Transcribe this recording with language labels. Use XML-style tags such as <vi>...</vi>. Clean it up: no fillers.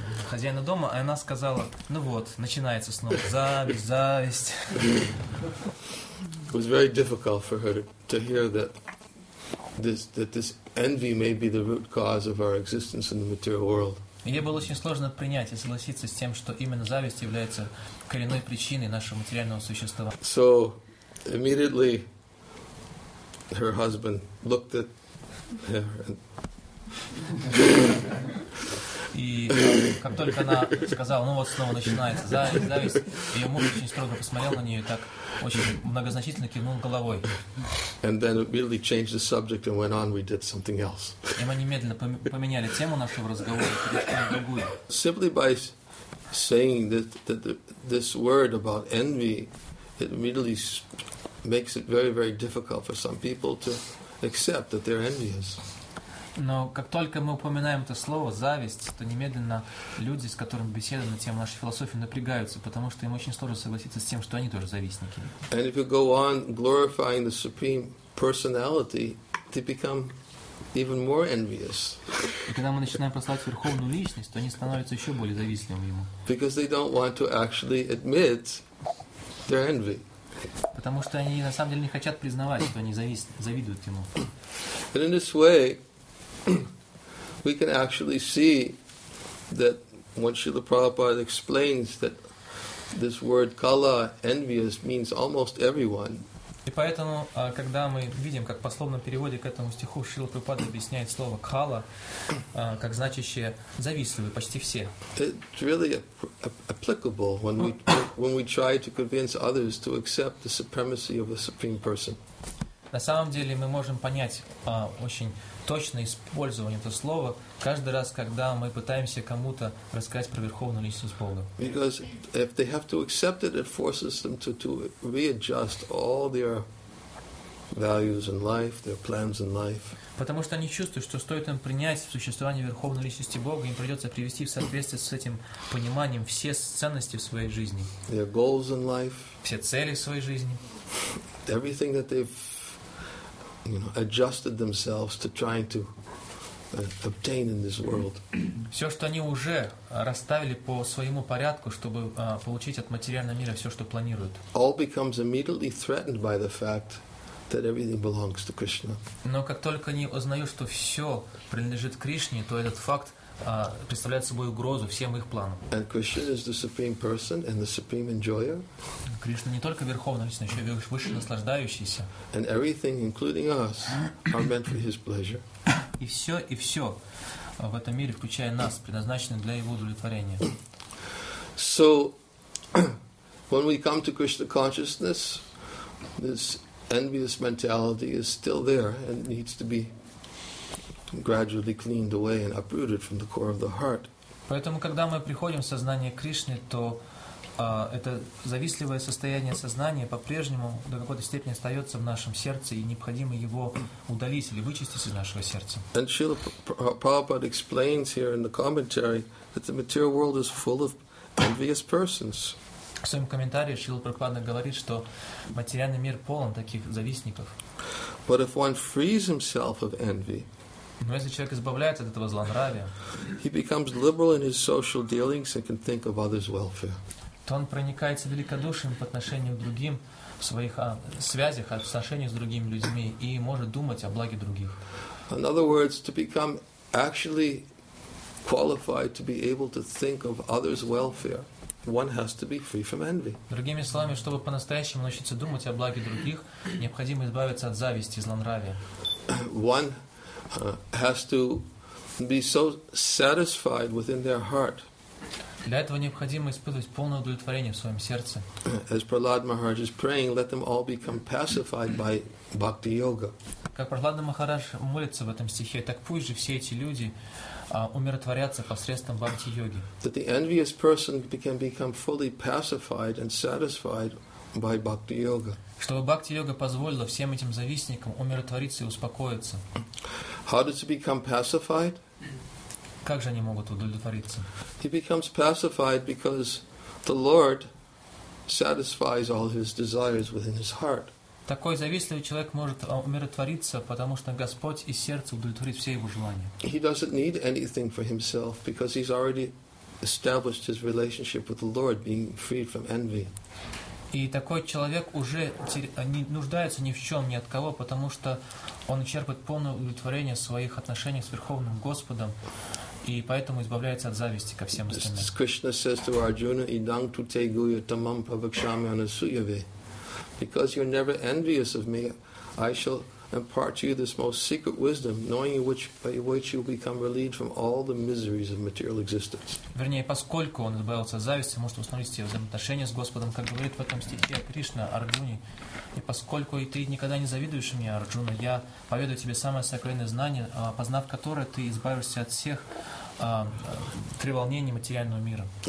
<ru>Хозяина дома, и она сказала, ну вот, начинается снова зависть, зависть.</ru> <en>It was very difficult for her to hear that this envy may be the root cause of our existence in the material world.</en> <ru>Ей было очень сложно принять и согласиться с тем, что именно зависть является коренной причиной нашего материального существования.</ru> <en>So immediately her husband looked at her and</en> <ru>и как только она сказала, ну вот снова начинается зависть, ее муж очень строго посмотрел на нее и так очень многозначительно кивнул головой.</ru> <en>And then immediately changed the subject and went on, we did something else.</en> <ru>И мы немедленно поменяли тему нашего разговора, перешли на другую.</ru> <en>Simply by saying this word about envy, it immediately makes it very, very difficult for some people to accept that they're envious.</en> <ru>Но как только мы упоминаем это слово «зависть», то немедленно люди, с которыми беседуем на тему нашей философии, напрягаются, потому что им очень сложно согласиться с тем, что они тоже завистники.</ru> <en>And if you go on glorifying the supreme personality, they become even more envious.</en> <ru>И когда мы начинаем прославлять верховную личность, то они становятся еще более завистливыми ему.</ru> <en>Because they don't want to actually admit their envy.</en> <ru>Потому что они на самом деле не хотят признавать, что они завидуют ему.</ru> <en>And in this way, we can actually see that when Srila Prabhupada explains that this word kala, envious, means almost everyone.</en> <ru>И поэтому, когда мы видим, как в пословном переводе к этому стиху Шрила Прабхупада объясняет слово «кхала», как значащее «завистливые почти все».</ru> <en>It's really applicable when we try to convince others to accept the supremacy of the Supreme Person.</en> <ru>На самом деле мы можем понять очень точно использование этого слова каждый раз, когда мы пытаемся кому-то рассказать про Верховную Личность Бога.</ru> <en>Because if they have to accept it, it forces them to readjust all their values in life, their plans in life.</en> <ru>Потому что они чувствуют, что стоит им принять существование Верховной Личности Бога, им придется привести в соответствие с этим пониманием все ценности в своей жизни.</ru> <en>Their goals in life.</en> <ru>Все цели в своей жизни.</ru> <en>Everything that they've adjusted themselves to trying to obtain in this world.</en> <ru>Все, что они уже расставили по своему порядку, чтобы получить от материального мира все, что планируют.</ru> <en>All becomes immediately threatened by the fact that everything belongs to Krishna.</en> <ru>Но как только они узнают, что все принадлежит Кришне, то этот факт представляет собой угрозу всем их планам.</ru> <en>And Krishna is the supreme person and the supreme enjoyer.</en> <ru>Кришна не только верховная личность, еще и высший наслаждающийся.</ru> <en>And everything, including us, are meant for his pleasure.</en> <ru>И все в этом мире, включая нас, предназначено для его удовлетворения.</ru> <en>So, when we come to Krishna consciousness, this envious mentality is still there and needs to be gradually cleaned away and uprooted from the core of the heart.</en> <ru>Поэтому, когда мы приходим в сознание Кришны, то это завистливое состояние сознания по-прежнему до какой-то степени остается в нашем сердце, и необходимо его удалить или вычистить из нашего сердца.</ru> <en>And Srila Prabhupada explains here in the commentary that the material world is full of envious persons.</en> <ru>В своем комментарии Шрила Прабхупада говорит, что материальный мир полон таких завистников.</ru> <en>But if one frees himself of envy,</en> <ru>но если человек избавляется от этого злонравия,</ru> <en>he becomes liberal in his social dealings and can think of others' welfare.</en> <ru>То он проникается великодушием по отношению к другим, в своих связях, в отношениях с другими людьми, и может думать о благе других.</ru> <en>In other words, to become actually qualified to be able to think of others' welfare, one has to be free from envy.</en> <ru>Другими словами, чтобы по-настоящему научиться думать о благе других, необходимо избавиться от зависти и злонравия.</ru> <en>One has to be so satisfied within their heart.</en> <ru>Для этого необходимо испытывать полное удовлетворение в своем сердце.</ru> <en>As Prahlad Maharaj is praying, let them all become pacified by bhakti yoga.</en> <ru>Как Прахлад Махарадж молится в этом стихе, так пусть же все эти люди умиротворятся посредством бхакти йоги.</ru> <en>That the envious person can become fully pacified and satisfied by bhakti yoga.</en> <ru>Чтобы бхакти йога позволила всем этим завистникам умиротвориться и успокоиться.</ru> <en>How does it become pacified?</en> <ru>Как же они могут удовлетвориться?</ru> <en>He becomes pacified because the Lord satisfies all his desires within his heart.</en> <ru>Такой завистливый человек может умиротвориться, потому что Господь из сердца удовлетворит все его желания.</ru> <en>He doesn't need anything for himself because he's already established his relationship with the Lord, being freed from envy.</en> <ru>И такой человек уже не нуждается ни в чем, ни от кого, потому что он черпает полное удовлетворение своих отношений с Верховным Господом. И поэтому избавляется от зависти ко всем остальным.</ru> <en>Krishna says to Arjuna,</en> <sa>"Idang tu te guya tamam pavakshami anasuyave."</sa> <en>Because you're never envious of me, I shall impart to you this most secret wisdom, knowing which by which you become relieved from all the miseries of material existence.</en> <ru>Вернее, поскольку он избавился от зависти, может установить свои взаимоотношения с Господом, как говорит в этом стихе Кришна Арджуне. И поскольку и ты никогда не завидуешь мне, Арджуна, я поведаю тебе самое сокровенное знание, познав которое, ты избавишься от всех треволнений материального мира.</ru>